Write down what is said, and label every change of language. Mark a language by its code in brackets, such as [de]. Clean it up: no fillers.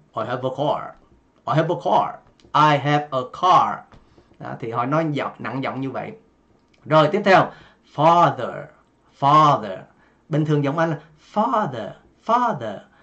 [en] I have a car, I have a car, I have a car. [vi] Đó, thì họ nói giọng nặng giọng như vậy. Rồi tiếp theo, father, father. Bình thường giọng Anh là father, father.